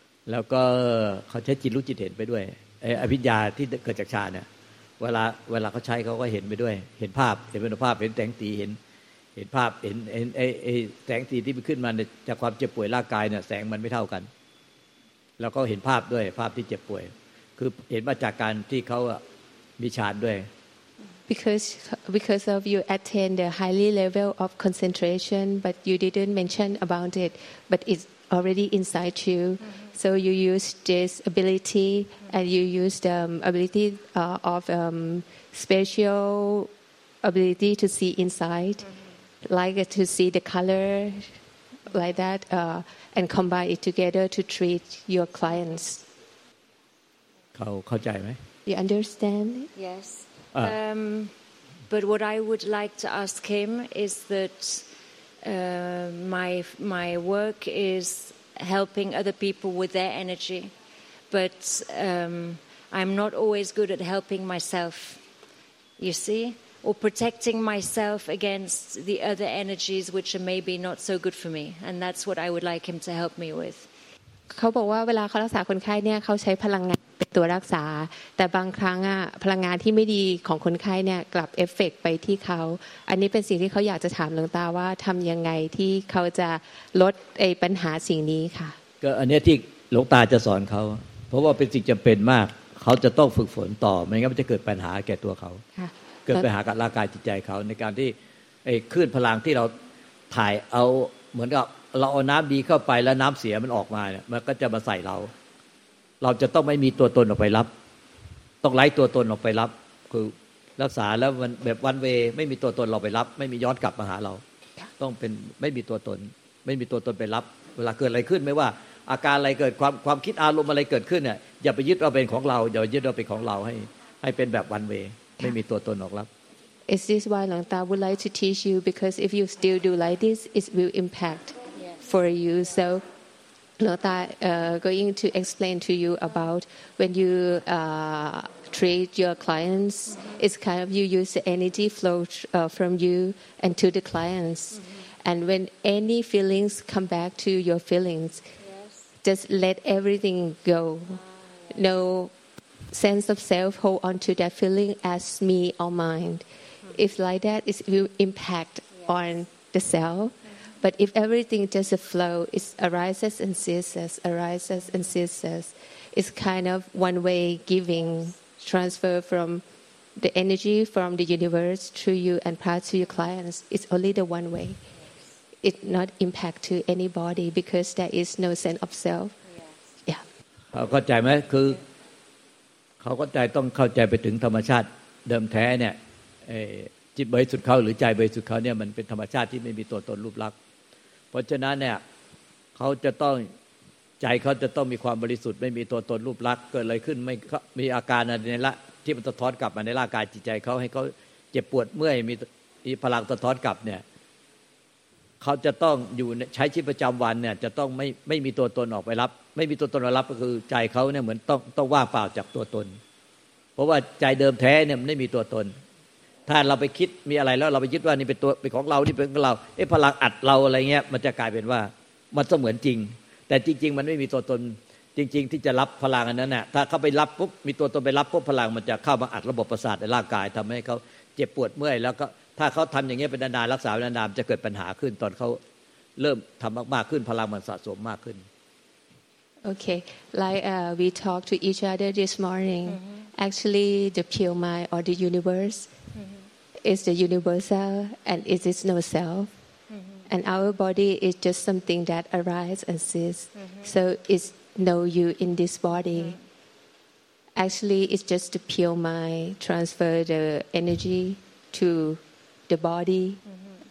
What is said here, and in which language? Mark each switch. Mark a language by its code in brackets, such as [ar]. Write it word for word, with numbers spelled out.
[th] แล้วก็เขาใช้จิตรู้จิตเห็นไปด้วยไอ้อภิญญาที่เกิดจากฌานเนี่ยเวลาเวลาเขาใช้เขาก็เห็นไปด้วยเห็นภาพเห็นเป็นภาพเห็นแสงสีเห็นเห็นภาพเห็นเห็นไอ้ไอ้แสงสีที่มันขึ้นมาจากความเจ็บป่วยร่างกายเนี่ยแสงมันไม่เท่ากันแล้วก็เห็นภาพด้วยภาพที่เจ็บป่วยคือเห็นมาจากการที่เขามีฌานด้วย [en] because because of you attain the highly level of concentration but you didn't mention about it but it's already inside you so you use this ability and you use the ability uh, of um, special ability to see inside like to see the color like that uh, and combine it together to treat your clients [th] เขาเข้าใจไหม [en] You understand? Yes. Ah. Um, but what I would like to ask him is that uh, my my work is helping other people with their energy, but um, I'm not always good at helping myself. You see, or protecting myself against the other energies which are maybe not so good for me, and that's what I would like him to help me with. [th] เขาบอกว่าเวลาเขารักษาคนไข้เนี่ยเขาใช้พลังงานเป็นตัวรักษาแต่บางครั้งอ่ะพลังงานที่ไม่ดีของคนไข้เนี่ยกลับเอฟเฟกต์ไปที่เขาอันนี้เป็นสิ่งที่เขาอยากจะถามหลวงตาว่าทำยังไงที่เขาจะลดไอ้ปัญหาสิ่งนี้ค่ะ ก็อันนี้ที่หลวงตาจะสอนเขาเพราะว่าเป็นสิ่งจำเป็นมากเขาจะต้องฝึกฝนต่อไม่งั้นมันจะเกิดปัญหาแก่ตัวเขาเกิดปัญหากับร่างกายจิตใจเขาในการที่ไอ้คลื่นพลังที่เราถ่ายเอาเหมือนกับเราเอาน้ำดีเข้าไปแล้วน้ำเสียมันออกมาเนี่ยมันก็จะมาใส่เรา เราจะต้องไม่มีตัวตนออกไปรับต้องไล่ตัวตนออกไปรับคือรักษาแล้วมันแบบวันเวไม่มีตัวตนเราไปรับไม่มีย้อนกลับมาหาเราต้องเป็นไม่มีตัวตนไม่มีตัวตนไปรับเวลาเกิดอะไรขึ้นไม่ว่าอาการอะไรเกิดความความคิดอารมณ์อะไรเกิดขึ้นเนี่ยอย่าไปยึดเอาเป็นของเราอย่ายึดเอาเป็นของเราให้ให้เป็นแบบวันเวไม่มีตัวตนออกรับ [en] Is this why Long Ta would like to teach you because if you still do like this it will impact for you so Lota uh, going to explain to you about when you uh, treat your clients, mm-hmm. it's kind of you use the energy flow uh, from you and to the clients. Mm-hmm. And when any feelings come back to your feelings, yes. just let everything go. Ah, yes. No sense of self hold on to that feeling as me or mine. Mm-hmm. If like that, it will impact yes. on the self. But if everything just a flow, it arises and ceases, arises and ceases. It's kind of one-way giving, transfer from the energy from the universe to you and pass to your clients. It's only the one way. It's not impact to anybody because there is no sense of self. Yeah. [th] เขาเข้าใจไหมคือเขาเข้าใจต้องเข้าใจไปถึงธรรมชาติเดิมแท้เนี่ยจิตบริสุทธิ์เขาหรือใจบริสุทธิ์เขาเนี่ยมันเป็นธรรมชาติที่ไม่มีตัวตนรูปลักษณ์เพราะฉะนั้นเนี่ยเขาจะต้องใจเขาจะต้องมีความบริสุทธิ์ไม่มีตัวตนรูปลักษณ์เกิดอะไรขึ้นไม่มีอาการอะไรในละที่มันสะท้อนกลับมาในร่างกายจิตใจเขาให้เขาเจ็บปวดเมื่อยมีมีพลังสะท้อนกลับเนี่ย เขาจะต้องอยู่ใช้ชีวิตประจำวันเนี่ยจะต้องไม่ไม่มีตัวตนออกไปรับไม่มีตัวตนรับก็คือใจเขาเนี่ยเหมือนต้องต้องว่างเปล่าจากตัวตนเพราะว่าใจเดิมแท้เนี่ยมันไม่มีตัวตน ถ้าเราไปคิดมีอะไรแล้วเราไปยึดว่านี่เป็นตัวเป็นของเรานี่เป็นของเราไอ้พลังอัดเราอะไรเงี้ยมันจะกลายเป็นว่ามันเสมือนจริงแต่จริงๆมันไม่มีตัวตนจริงๆที่จะรับพลังอันนั้นน่ะถ้าเขาไปรับปุ๊บมีตัวตนไปรับปุ๊บพลังมันจะเข้ามาอัดระบบประสาทในร่างกายทำให้เขาเจ็บปวดเมื่อยแล้วก็ถ้าเขาทำอย่างเงี้ยเป็นนานๆรักษาเป็นนานๆจะเกิดปัญหาขึ้นตอนเขาเริ่มทำมากๆขึ้นพลังมันสะสมมากขึ้น [en] Okay like uh, we talk to each other this morning mm-hmm. actually the pure mind or the universe is the universal and it is no self mm-hmm. and our body is just something that arises and ceases mm-hmm. so it's no you in this body mm-hmm. actually it's just the pure mind transfer the energy to the body mm-hmm.